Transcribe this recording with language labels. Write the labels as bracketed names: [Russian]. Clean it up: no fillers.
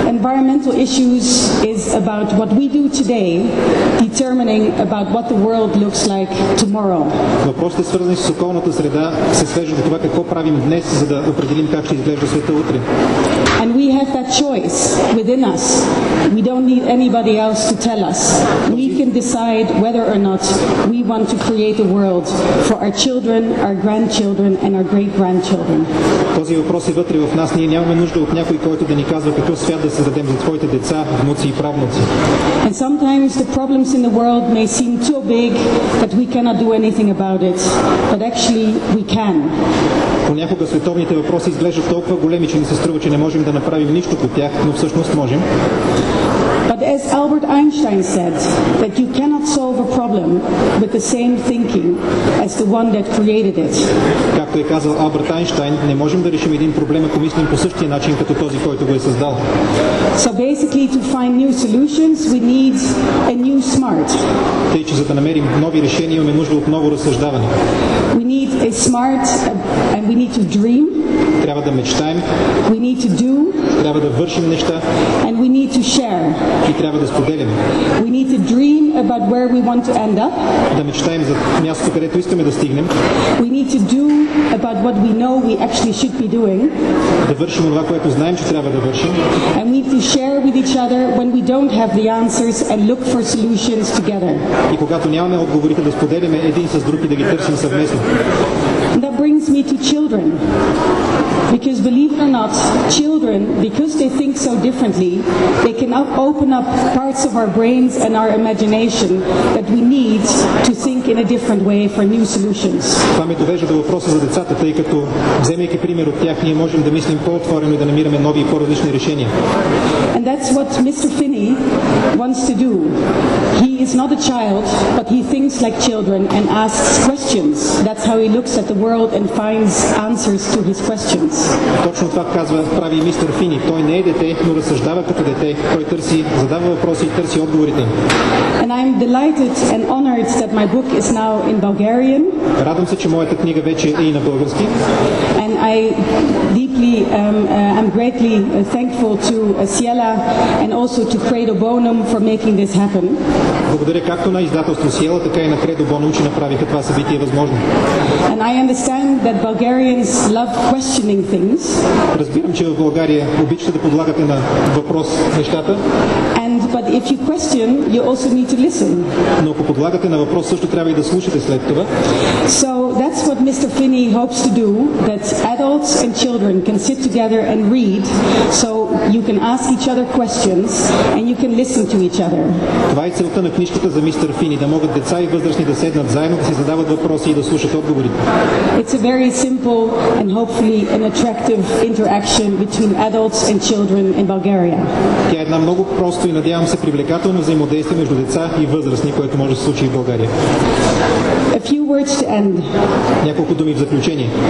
[English] Environmental issues is about what we do today, determining about what the world looks like tomorrow. [Bulgarian] Въпросите, свързани с околната среда, се свеждат до това какво правим днес, за да определим как ще изглежда света утре. [English] And we have that choice within us. We don't need anybody else to tell us. We can decide whether or not we want to create a world for our children, our grandchildren and our great-grandchildren. [Bulgarian] Този въпрос е вътре в нас. Ние нямаме нужда от някой, който да ни казва какъв свят да създадем за твоите деца, внуци и правнуци. [English] And sometimes the problems in the world may seem too big that we cannot do anything about it, but actually we can. [Bulgarian] Понякога световните въпроси изглеждат толкова големи, че ни се струва, че не можем да направим нищо по тях, но всъщност можем. [English] But as Albert Einstein said, that you cannot solve a problem with the same thinking as the one that created it. [Bulgarian] Както е казал Алберт Айнщайн, не можем да решим един проблем, ако мислим по същия начин като този, който го е създал. [English] So basically, to find new solutions, we need a new smart. [Bulgarian] Тъй, че за да намерим нови решения, имаме нужда от ново разсъждаване. [English] We need a smart and we need to dream. [Bulgarian] Трябва да мечтаем. [English] We need to do. [Bulgarian] Трябва да вършим неща. [English] And we need to share. [Bulgarian] И трябва да споделим. [English] We need to dream about where we want to end up. [Bulgarian] Да мечтаем за мястото, където искаме да стигнем. [English] We need to do about what we know we actually should be doing. [Bulgarian] Да вършим това, което знаем, че трябва да вършим. [English] And we need to share with each other when we don't have the answers and look for solutions together. [Bulgarian] И когато нямаме отговорите, да споделяме един с друг и да ги търсим съвместно. [English] That brings me to children. Because believe it or not, children, because they think so differently, they can open up parts of our brains and our imagination that we need to think in a different way for new solutions. [Bulgarian] Това ме довежда до въпроса за децата, тъй като, вземайки пример от тях, ние можем да мислим по-отворено и да намираме нови и по-различни решения. [English] And that's what Mr. Finney wants to do. He is not a child, but he thinks like children and asks questions. That's how he looks at the world and finds answers to his questions. [Bulgarian] Точно това казва, прави мистер Фини. Той не е дете, но разсъждава като дете. Той търси, задава въпроси и търси отговорите. [English] And I'm delighted and honored that my book is now in Bulgarian. [Bulgarian] Радвам се, че моята книга вече е и на български. [English] And I deeply I'm greatly thankful to Siela and also to Credo Bonum for making this happen. [Bulgarian] Благодаря както на издателство Siela, така и на Credo Bonum, че направиха това събитие възможно. [English] And I understand that Bulgarians love questioning things. [Bulgarian] Разбирам, че в България обичате да подлагате на въпрос нещата. [English] But if you question, you also need to listen. [Bulgarian] Но ако подлагате на въпрос, също трябва и да слушате след това. [English] So that's what Mr. Finney hopes to do, that adults and children can sit together and read, so you can ask each other questions and you can listen to each other. [Bulgarian] Това е целта на книжката за Mr. Finney, да могат деца и възрастни да седнат заедно, да си задават въпроси и да слушат отговорите. [English] It's a very simple and hopefully an attractive interaction between adults and children in Bulgaria. [Bulgarian] Тя е една много просто и надявам се привлекателно взаимодействие между деца и възрастни, което може да се случи в България. [English] A few words to end. [Bulgarian] Няколко думи в заключение.